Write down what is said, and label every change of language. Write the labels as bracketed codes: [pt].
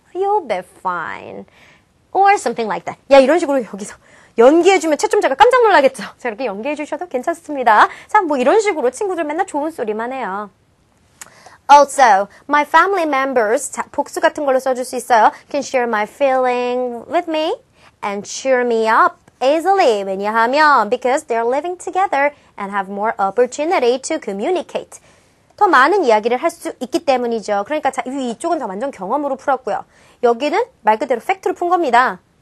[en] You'll be fine. Or something like that. [ko] 야, 이런 식으로 여기서 연기해주면 채점자가 깜짝 놀라겠죠. 자, 이렇게 연기해주셔도 괜찮습니다. 자, 뭐 이런 식으로 친구들 맨날 좋은 소리만 해요. [en] Also, my family members, [ko] 자, 복수 같은 걸로 써줄 수 있어요. [en] Can share my feeling with me and cheer me up easily. [ko] 왜냐하면, [en] because they're living together and have more opportunity to communicate. [ko] 더 많은 이야기를 할 수 있기 때문이죠. 그러니까 자, 이쪽은 다 완전 경험으로 풀었고요. 여기는 말 그대로 팩트로 푼 겁니다.